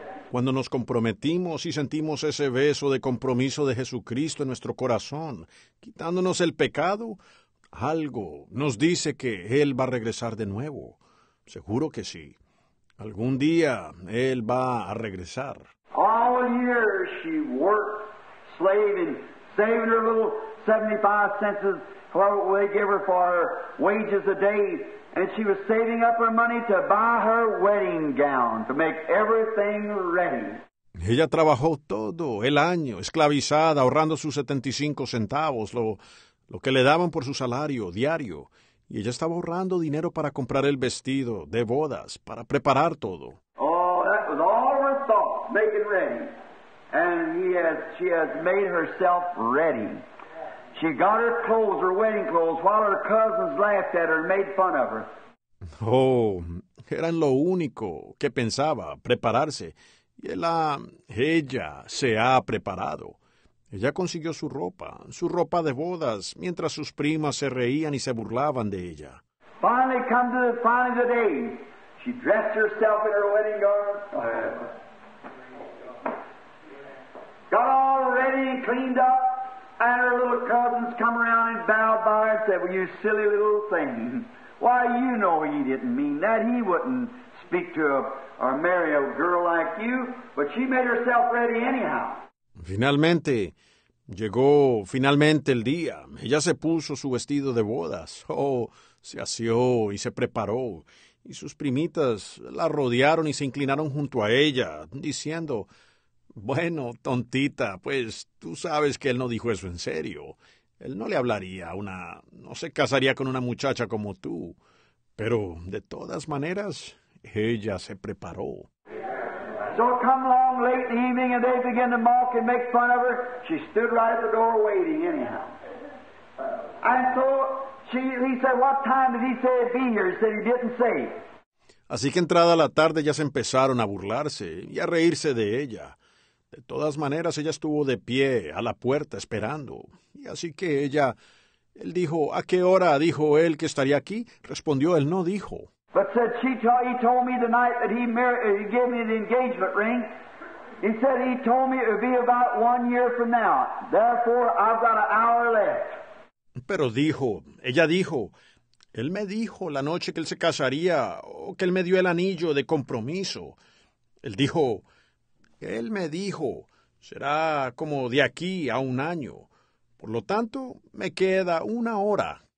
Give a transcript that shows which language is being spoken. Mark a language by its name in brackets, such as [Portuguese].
[Spanish] Cuando nos comprometimos y sentimos ese beso de compromiso de Jesucristo en nuestro corazón, quitándonos el pecado, algo nos dice que Él va a regresar de nuevo. Seguro que sí. Algún día Él va a regresar. [English] All year she worked slaving, saving her little 75 cents for what they gave her for her wages a day. And she was saving up her money to buy her wedding gown, to make everything ready. [Spanish] Ella trabajó todo el año, esclavizada, ahorrando sus 75 centavos, lo que le daban por su salario diario. Y ella estaba ahorrando dinero para comprar el vestido de bodas, para preparar todo. [English] Oh, that was all her thought, making ready. And she has made herself ready. She got her clothes, her wedding clothes, while her cousins laughed at her and made fun of her. [Spanish] Oh, era en lo único que pensaba, prepararse. Y ella se ha preparado. Ella consiguió su ropa de bodas, mientras sus primas se reían y se burlaban de ella. [English] Finally the day. She dressed herself in her wedding garment. Got all ready and cleaned up. And her little cousins come around and bow by her and say, well, you silly little thing. Why, you know he didn't mean that. He wouldn't speak to or marry a girl like you. But she made herself ready anyhow. [Spanish] Finalmente, llegó finalmente el día. Ella se puso su vestido de bodas. Oh, se asió y se preparó. Y sus primitas la rodearon y se inclinaron junto a ella, diciendo, bueno, tontita, pues tú sabes que él no dijo eso en serio. Él no le hablaría a una, no se casaría con una muchacha como tú. Pero, de todas maneras, ella se preparó. [English] So come along late in the evening and they begin to mock and make fun of her. She stood right at the door waiting anyhow. And so he said, what time did he say he'd be here? He said he didn't say. [Spanish] Así que entrada la tarde ya se empezaron a burlarse y a reírse de ella. De todas maneras, ella estuvo de pie a la puerta esperando. Y así que ella, él dijo, ¿a qué hora dijo él que estaría aquí? Respondió, él no dijo. [English] But said she told, he told me the night that he married, he gave me the engagement ring. He said he told me it would be about 1 year from now. Therefore, I've got an hour left. [Spanish] Pero dijo, ella dijo, él me dijo la noche que él se casaría o que él me dio el anillo de compromiso. Él dijo, él me dijo, será como de aquí a un año. Por lo tanto, me queda una hora.